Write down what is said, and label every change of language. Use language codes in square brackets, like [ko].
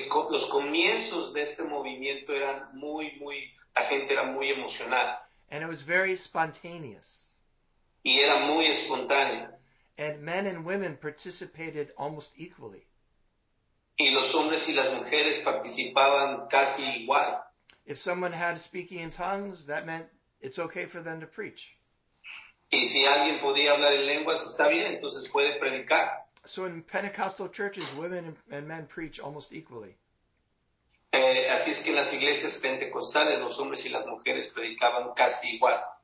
[es] Los comienzos de este movimiento eran muy, muy, la gente era muy emocional. [en] And it was very spontaneous. [es] Y era muy espontáneo. [en] And men and women participated almost equally. [es] Y los hombres y las mujeres participaban casi igual. [en] If someone had speaking in tongues, that meant it's okay for them to preach. [es] Y si alguien podía hablar en lenguas, está bien, entonces puede predicar. [en] So in Pentecostal churches, women and men preach almost equally. [es] Así es que en las iglesias pentecostales, los hombres y las mujeres predicaban casi igual.